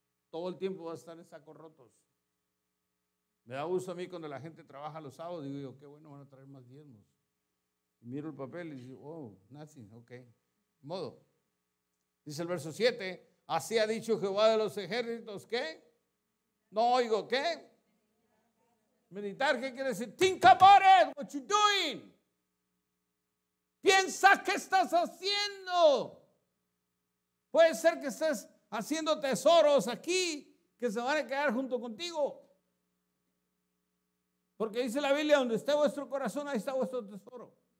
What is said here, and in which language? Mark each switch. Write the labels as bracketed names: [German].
[Spanish] Todo el tiempo vas a estar en sacos rotos. Me da gusto a mí cuando la gente trabaja los sábados, digo yo, qué bueno, van a traer más diezmos. Y miro el papel y digo, [English] oh, nothing, [Spanish] ok. Modo. Dice el verso 7, así ha dicho Jehová de los ejércitos, ¿qué? No oigo, ¿qué? Meditar, ¿qué quiere decir? [English] Think about it, what you're doing. [Spanish] Piensa, ¿qué estás haciendo? Puede ser que estés haciendo tesoros aquí que se van a quedar junto contigo. Porque dice la Biblia, donde esté vuestro corazón, ahí está vuestro tesoro.